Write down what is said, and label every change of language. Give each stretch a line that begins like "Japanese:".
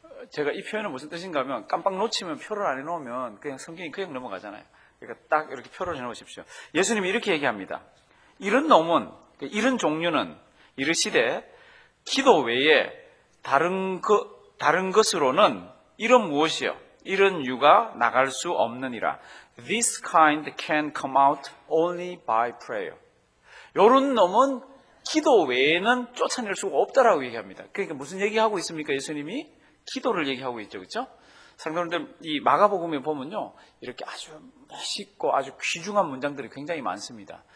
Korean: 제가 이 표현은 무슨 뜻인가 하면 깜빡 놓치면 표를 안 해놓으면 그냥 성경이 그냥 넘어가잖아요. 그러니까 딱 이렇게 표를 해놓으십시오. 예수님이 이렇게 얘기합니다. 이런 놈은, 이런 종류는 이르시되 기도 외에 다른 것으로는 이런 무엇이요? 이런 유가 나갈 수 없느니라.
English: This kind can come out only by prayer.
Korean: 요런 놈은 기도 외에는 쫓아낼 수가 없다라고 얘기합니다. 그러니까 무슨 얘기하고 있습니까? 예수님이 기도를 얘기하고 있죠. 그렇죠? 성도님들 이 마가복음에 보면요. 이렇게 아주 멋있고 아주 귀중한 문장들이 굉장히 많습니다.